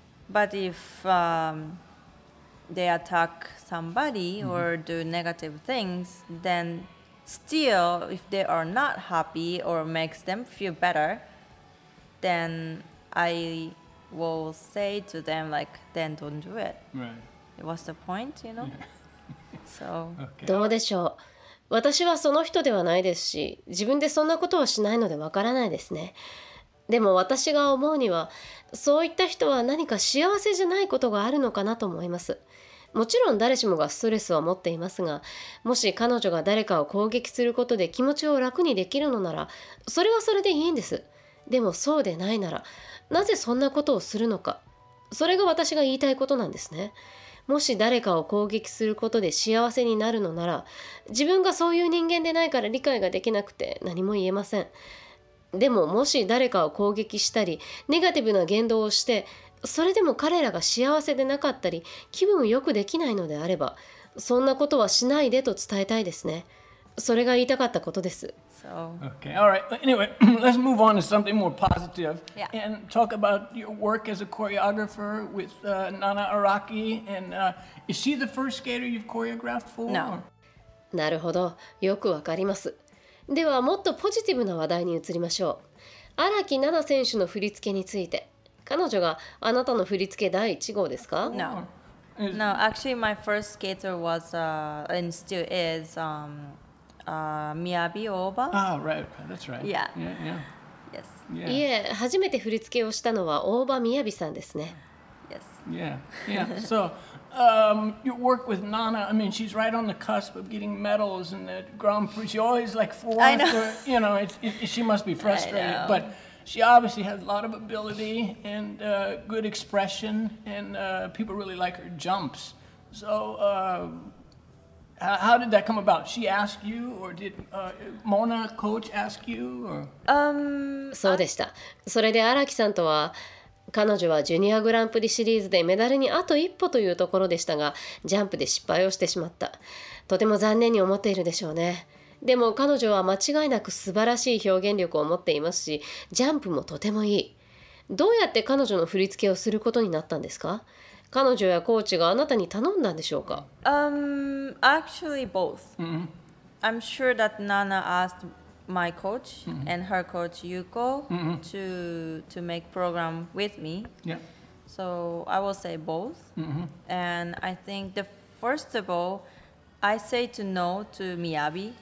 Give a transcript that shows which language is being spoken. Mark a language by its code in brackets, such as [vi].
[en] But if they attack somebody or do negative things, then still, if they are not happy or makes them feel better, then I will say to them, like, then don't do it. Right. What's the point, you know? So, [ja] どうでしょう。私はその人ではないですし、自分でそんなことをしないのでわからないですね。でも私が思うには、そういった人は何か幸せじゃないことがあるのかなと思います。もちろん誰しもがストレスを持っていますが、もし彼女が誰かを攻撃することで気持ちを楽にできるのなら、それはそれでいいんです。でもそうでないなら、なぜそんなことをするのか。それが私が言いたいことなんですね。もし誰かを攻撃することで幸せになるのなら、自分がそういう人間でないから理解ができなくて何も言えません。でももし誰かを攻撃したり、ネガティブな言動をして、それでも彼らが幸せでなかったり、気分よくできないのであれば、そんなことはしないでと伝えたいですね。それが言いたかったことです。 [en] So. Okay, all right. Anyway, let's move on to something more positive. Yeah. And talk about your work as a choreographer with Nana Araki. And is she the first skater you've choreographed for? No. [ja] なるほど。よくわかります。ではもっとポジティブな話題に移りましょう。荒木奈々選手の振り付けについて。彼女があなたの振り付け第一号ですか？ [en] No. No, actually my first skater was, and still is, Miyabi Ooba. Oh, right, that's right. Yeah. Yeah, yeah. Yes. [ja] Yeah. いえ、初めて振り付けをしたのは Ooba Miyabi さんですね。 [en] Yes. Yeah, yeah. So, your work with Nana, I mean, she's right on the cusp of getting medals and the Grand Prix. She always like fourth. I know. Or, you know, she must be frustrated. But she obviously has a lot of ability and good expression, and people really like her jumps. So, how did that come about? She asked you, or did Mona coach ask you? [ja] そうでした。それで荒木さんとは、彼女はジュニアグランプリシリーズでメダルにあと一歩というところでしたが、ジャンプで失敗をしてしまった。とても残念に思っているでしょうね。でも彼女は間違いなく素晴らしい表現力を持っていますし、ジャンプもとてもいい。どうやって彼女の振り付けをすることになったんですか？彼女やコーチがあなたに頼んだんでしょうか？ [en] Actually both. I'm sure that Nana asked my coach and her coach Yuko to make program with me. Yeah. So I will say both. And I think the first of all, I say to no to Miyabi.